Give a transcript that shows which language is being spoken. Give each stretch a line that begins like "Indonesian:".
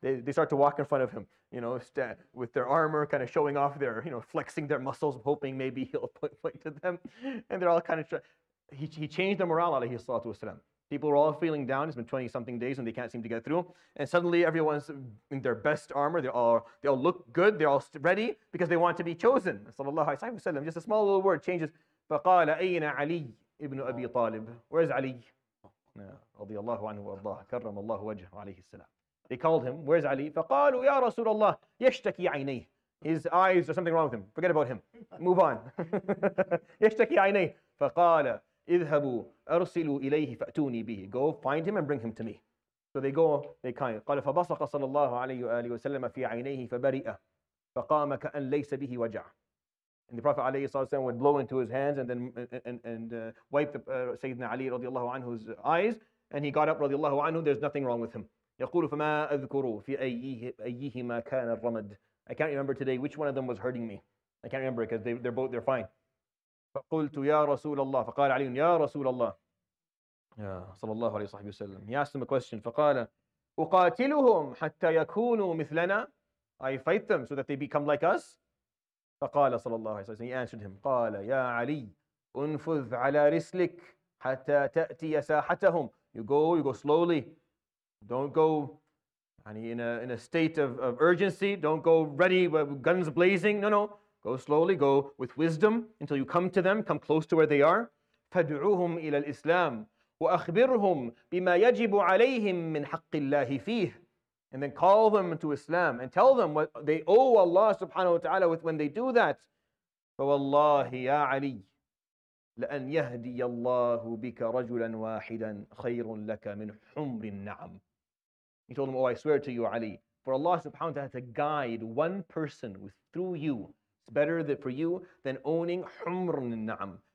English: They start to walk in front of him, with their armor, kind of showing off their, flexing their muscles, hoping maybe he'll point to them. And they're all kind of, he changed the morale, alayhi salatu wasalam. People are all feeling down. It's been 20-something days and they can't seem to get through. And suddenly everyone's in their best armor. They all look good. They're all ready because they want to be chosen. Sallallahu alayhi wa sallam. Just a small little word changes.
Arabic: فقال أين علي ابن أبي طالب؟
English: Where is Ali?
Arabic: رضي الله عنه وارضاه كرم الله وجهه عليه السلام.
English: They called him. Where is Ali?
Arabic: فقالوا يا رسول الله يشتكي عينيه.
English: His eyes, or something wrong with him. Forget about him. Move on.
Arabic: يشتكي عينيه. فقال اذهبوا أرسلوا إليه فأتوني به.
English: Go find him and bring him to me. So they go. They kind.
Arabic: قال فبصق صلى الله عليه وآله وسلم في عينيه فبرئه. فقام كأن ليس به وجع.
English: And the Prophet عليه الصلاة والسلام would blow into his hands and then and wipe Sayyidina Ali radiallahu anhu's eyes, and he got up radiallahu anhu. There's nothing wrong with him.
Arabic: يقول فما أذكره في أيهما كان الرمد.
English: I can't remember today which one of them was hurting me. I can't remember because they're fine.
Arabic: فقلت يا رسول الله. فقال علي يا رسول الله. صلى الله عليه وسلم.
English: He asked him a question.
Arabic: فقال أقاتلهم حتى يكونوا مثلنا.
English: I fight them so that they become like us.
Arabic: فقال صلى الله عليه وسلم.
English: He answered him.
Arabic: قال يا علي انفذ على رسلك حتى تأتي ساحتهم.
English: You go slowly. Don't go in a state of urgency. Don't go ready with guns blazing. No. Go slowly. Go with wisdom until you come to them. Come close to where they are.
Arabic: فدعوهم إلى الإسلام وأخبرهم بما يجب عليهم من حق الله فيه.
English: And then call them to Islam and tell them what they owe Allah subhanahu wa ta'ala with when they do that.
Arabic: فَوَاللَّهِ يَا عَلِيِّ لَأَنْ يَهْدِيَ اللَّهُ بِكَ رَجُلًا وَاحِدًا خَيْرٌ لَكَ مِنْ حُمْرِ النَّعَمِ.
English: He told them, oh, I swear to you, Ali, for Allah subhanahu wa ta'ala to guide one person through you, it's better for you than owning
Arabic: حُمْرٌ النَّعَمِ.